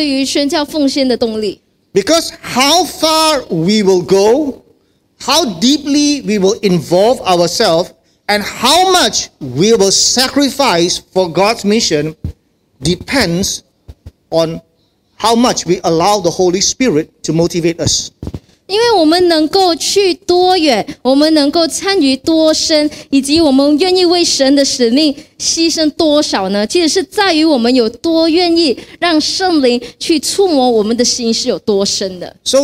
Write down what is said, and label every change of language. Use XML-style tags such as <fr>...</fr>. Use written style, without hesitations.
<zh>所以我今天要所传讲的就是我们对于宣教的动力，甚至是我们对于宣教奉献的动力。</zh> <en>Because how far we will go, how deeply we will involve ourselves, and how much we will sacrifice for God's mission depends on how much we allow the Holy Spirit to motivate us.</en> <zh>因为我们能够去多远，我们能够参与多深，以及我们愿意为神的使命牺牲多少呢？其实是在于我们有多愿意让圣灵去触摸我们的心是有多深的。</zh> <en>So</en>